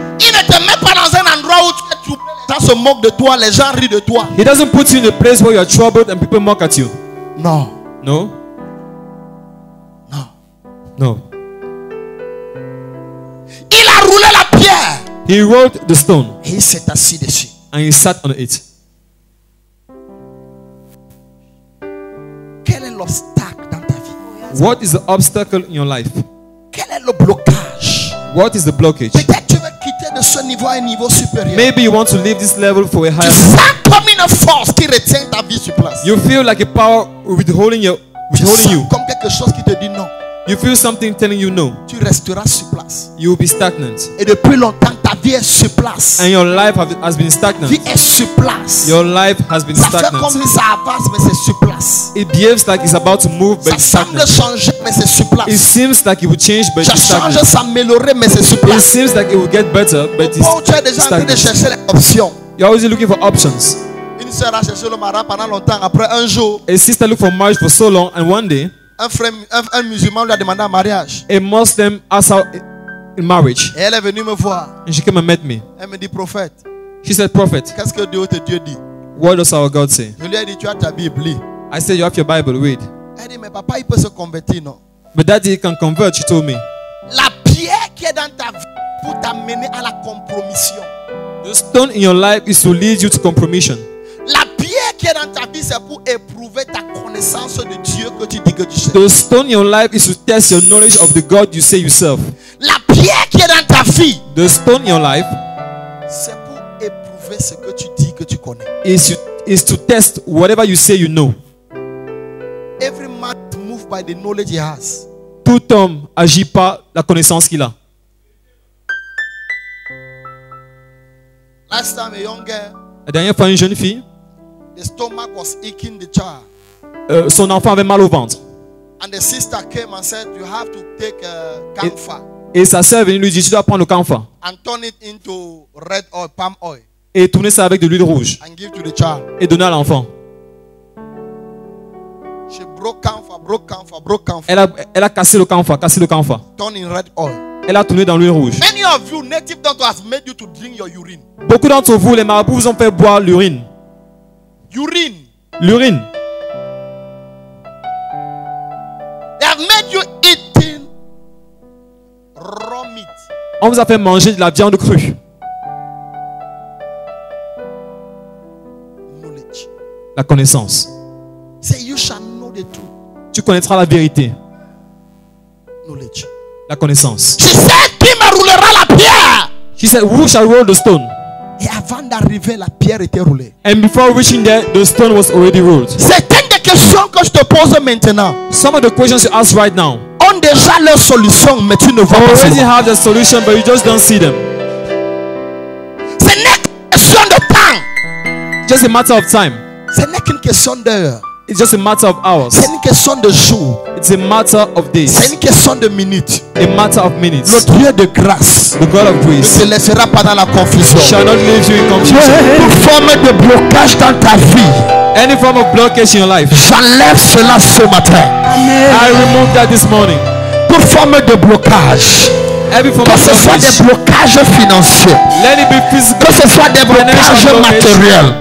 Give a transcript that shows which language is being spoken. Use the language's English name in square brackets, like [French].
[French] Il ne te met pas dans un endroit où tu es troublé. Ça se moque de toi. Les gens rient de toi. [English] He doesn't put you in a place where you are troubled and people mock at you. [French] Non. [English] No. [French] Non. [English] No. [French] Il a roulé la pierre. [English] He rolled the stone. [French] Et il s'est assis dessus. [English] And he sat on it. [French] Quel est l'obstacle dans ta vie? [English] What is the obstacle in your life? [French] Quel est le blocage? [English] What is the blockage? [French] Peut-être tu veux quitter de ce niveau à un niveau supérieur. [English] Maybe you want to leave this level for a higher. [French] Tu sens comme une force qui retient ta vie sur place. [English] You feel like a power withholding you. Withholding [French] tu sens comme quelque chose qui te dit non. [English] You feel something telling you no. [French] Tu resteras sur place. [English] You will be stagnant. [French] Et depuis longtemps ta vie est sur place. [English] And your life has been stagnant. [French] Vie est sur place. [English] Your life has been [French] ça [English] stagnant. [French] Fait comme si ça avance mais c'est sur place. [English] It behaves like it's about to move but [French] ça semble changer mais c'est sur place. [English] It seems like it will change but [French] ça [English] it's stagnant. [French] Change, s'améliorer mais c'est sur place. [English] It seems like it will get better but it's stagnant. [French] Tu es déjà en train de chercher les options. [English] You're always looking for options. [French] Une sœur a cherché le mariage pendant longtemps après un jour. [English] A sister looked for marriage for so long and one day. [French] Un musulman lui a demandé un mariage. [English] A Muslim asked her in marriage. [French] Et elle est venue me voir. [English] And she came and met me. [French] Elle me dit prophète. [English] She said prophet. [French] Qu'est-ce que Dieu te dit? [English] What does our God say? [French] Je lui ai dit tu as ta Bible. Lis. [English] I said you have your Bible. Read. [French] Elle dit mais papa il peut se convertir non? [English] But daddy can convert. She told me. [French] La pierre qui est dans ta vie pour t'amener à la compromission. [English] The stone in your life is to lead you to compromission. [French] La pierre qui est dans ta vie c'est pour éprouver ta connaissance de Dieu que tu dis que tu sais. [English] The stone in your life is to test your knowledge of the God you say you serve. [French] La pierre qui est dans ta vie. [English] The stone in your life. [French] C'est pour éprouver ce que tu dis que tu connais. [English] Is to test whatever you say you know. Every man moved by the knowledge he has. [French] Tout homme agit par la connaissance qu'il a. [English] Last time a young girl. [French] La dernière fois une jeune fille. [English] The stomach was aching the child. [French] Son enfant avait mal au ventre. [English] And the sister came and said, "You have to take camphor." [French] Et sa sœur venue lui dit, tu dois prendre le camphor. [English] And turn it into red oil, palm oil. [French] Et tourner ça avec de l'huile rouge. [English] And give to the child. [French] Et donner à l'enfant. [English] She broke camphor, broke camphor, broke camphor. [French] Elle a cassé le camphor, cassé le camphor. [English] Turn in red oil. [French] Elle a tourné dans l'huile rouge. [English] Many of you native doctors have made you to drink your urine. [French] Beaucoup d'entre vous, les marabouts, vous ont fait boire l'urine. [English] Urine. [French] L'urine. [English] They have made you eating raw meat. [French] On vous a fait manger de la viande crue. [English] Knowledge. [French] La connaissance. [English] Say you shall know the truth. [French] Tu connaîtras la vérité. [English] Knowledge. [French] La connaissance. [English] She said, [French] qui me roulera la pierre? [English] She said, who shall roll the stone? [French] Et avant d'arriver, la pierre était roulée. [English] And before reaching there, the stone was already rolled. [French] Certaines des questions que je te pose maintenant. [English] Some of the questions you ask right now. [French] Ont déjà leur solution, mais tu ne vois pas. [English] Already have the solution, but you just don't see them. [French] Ce n'est qu'une question de temps. [English] Just a matter of time. [French] Ce n'est qu'une question d'heure. [English] It's just a matter of hours. [French] C'est une question de jour. [English] It's a matter of days. [French] C'est une question de minutes. [English] A matter of minutes. [French] Le Dieu de grâce. [English] The God of grace. [French] Ne te laissera pas dans la confusion. [English] Shall not leave you in confusion. [French] Toute forme de blocage dans ta vie. [English] Any form of blockage in your life. [French] J'enlève cela ce matin. [English] I remove that this morning. [French] Toute forme de blocage. Que ce soit des blocages financiers. [English] Let it be physical. [French] Que ce soit des blocages matériels.